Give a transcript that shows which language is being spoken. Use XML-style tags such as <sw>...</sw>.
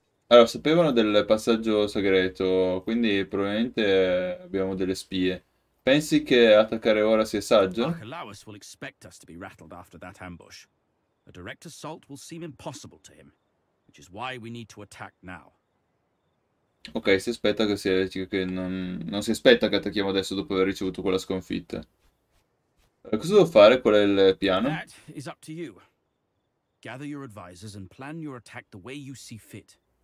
<it>Allora, sapevano del passaggio segreto, quindi probabilmente abbiamo delle spie. Pensi che attaccare ora sia saggio?</it> <en>Archelaus will expect us to be rattled after that ambush. A direct assault will seem impossible to him, which is why we need to attack now.</en> <it>Ok, si aspetta che sia. Che non si aspetta che attacchiamo adesso dopo aver ricevuto quella sconfitta. Cosa devo fare? Qual è il piano?</it> <en>That is up to you. Gather your advisors and plan your attack the way you see fit.</en>